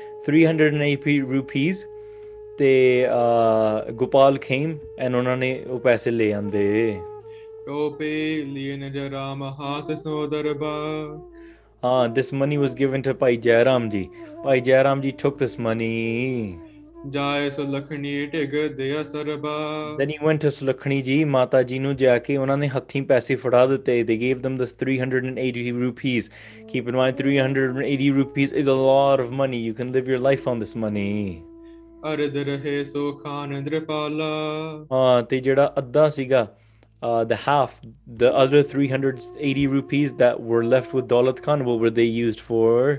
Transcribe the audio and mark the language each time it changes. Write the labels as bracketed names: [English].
[Punjabi] 380 rupees, te Gopal [English] came and [Punjabi] unhone oh paise le ande. Tope lien jaram hath so darbar. [English] This money was given to Bhai Jairam ji. Bhai Jairam ji took this money. [Punjabi] ਜਾਏ Sulakhni TIG ਦਿਆ ਸਰਬਾ. [English] Then he went to [Punjabi] Sulakhni ਜੀ, ਮਾਤਾ ਜੀ ਨੂੰ ਜਾ ਕੇ ਉਹਨਾਂ ਨੇ ਹੱਥੀਂ ਪੈਸੇ ਫੜਾ ਦਿੱਤੇ. [English] They gave them the 380 rupees. Keep in mind, 380 rupees is a lot of money. You can live your life on this money. [Punjabi] ਅਰਧ ਰਹੇ ਸੋ ਖਾਨ ਦ੍ਰਿਪਾਲਾ. ਹਾਂ, ਤੇ ਜਿਹੜਾ ਅੱਧਾ ਸੀਗਾ, [English] the half, the other 380 rupees that were left with Daulat Khan, what were they used for?